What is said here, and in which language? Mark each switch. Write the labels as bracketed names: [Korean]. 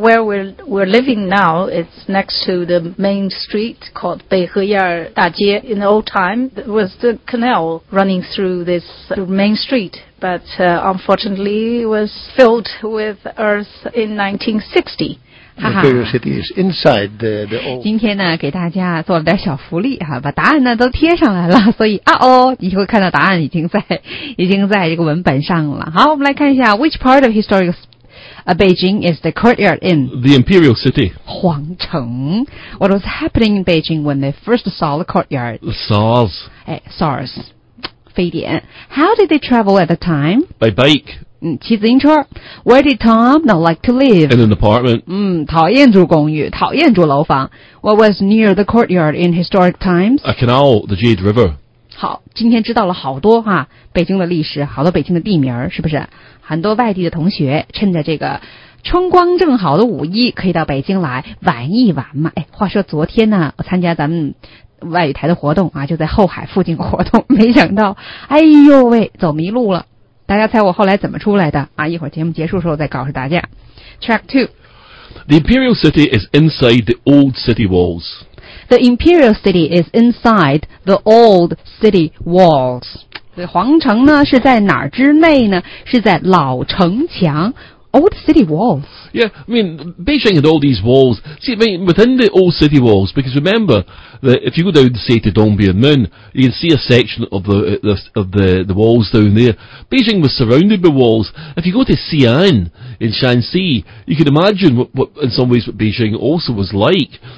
[English] Where we're living now, it's next to the main street called Beiheyar Dajie. In the old time, it was the canal running through this main street. But unfortunately, it was filled with earth in 1960. The old [Chinese] 今天呢给大家做了点小福利哈，把答案呢都贴上来了，所以啊哦，你会看到答案已经在这个文本上了。好，我们来看一下 [English] which part of historic Beijing is the courtyard in? The Imperial City. [Chinese] 皇城。 [English] What was happening in Beijing when they first saw the courtyard? SARS. SARS. [Chinese] 非典。 [English] How did they travel at the time? By bike. [Chinese] 骑自行车。 [English] Where did Tom not like to live? In an apartment. [Chinese] 讨厌住公寓，讨厌住楼房。 [English] What was near the courtyard in historic times? A canal, the Jade River. [Chinese] 好，今天知道了好多哈，北京的历史，好多北京的地名，是不是？很多外地的同学趁着这个春光正好的五一，可以到北京来玩一玩嘛。哎，话说昨天呢，我参加咱们外语台的活动啊，就在后海附近活动，没想到，哎呦喂，走迷路了。大家猜我后来怎么出来的啊？一会儿节目结束的时候再告诉大家。 [English] Track 2. The Imperial City is inside the old city walls. The Imperial City is inside the old city walls. [Chinese] 皇城呢是在哪儿之内呢？是在老城墙。 [English] Old city walls. Yeah, I mean, Beijing had all these walls. See, I mean, within the old city walls, because remember that if you go down, say, to Dongbian Moon, you can see a section of the walls down there. Beijing was surrounded by walls. If you go to Xi'an in Shaanxi, you can imagine what in some ways what Beijing also was like.